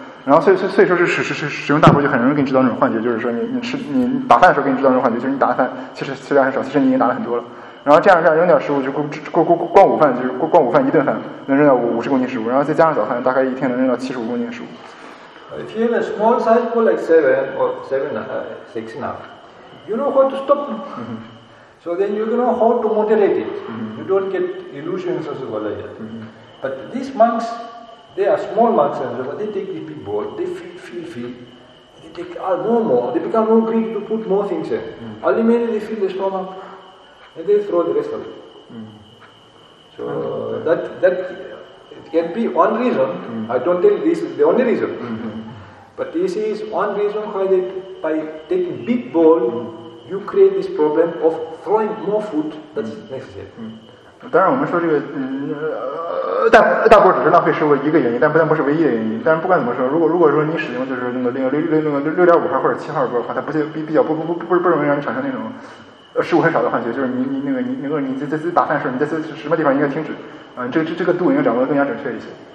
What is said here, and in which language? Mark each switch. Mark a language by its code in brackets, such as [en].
[zh] 然后所以说是使用大钵就很容易给你制造那种幻觉，就是说你打饭的时候给你制造那种幻觉，就是你打的饭其实很少，其实你已经打了很多了。然后这样扔掉食物就光午饭，就是光午饭一顿饭能扔掉50公斤食物，然后再加上早饭，大概一天能扔掉75公斤食物。 [en] If you have a small size bowl like seven or six, you know how to stop. So then you know how to moderate it. You don't get illusions as well like that. But these monks. They are small monks, but they take the big bowl, they feel, they take more, they become more greedy to put more things in. Ultimately, they fill the stomach, and they throw the rest of it. So, that it can be one reason, I don't tell you this is the only reason, but this is one reason why they, by taking big bowl, you create this problem of throwing more food that's necessary. [zh] 当然我们说这个大锅只是浪费食物一个原因，但不是唯一的原因。但是不管怎么说，如果说你使用就是那个6.5号或者7号锅的话，它比较不容易让你产生那种食物很少的幻觉，就是你在打饭的时候，你在什么地方应该停止，这个度应该掌握得更加准确一些。